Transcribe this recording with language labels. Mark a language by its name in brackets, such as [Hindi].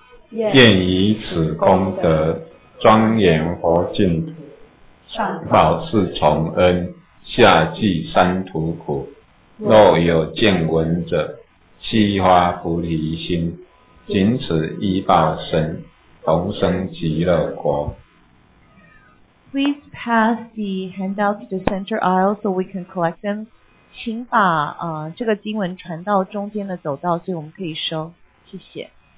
[Chinese] 愿以此功德庄严佛净土，保四重恩，下济三途苦。若有见闻者，悉发菩提心，仅此一报身，同生极乐国。 [English] Please pass the handout to the center aisle so we can collect them. [Chinese] 请把这个经文传到中间的走道，所以我们可以收，谢谢。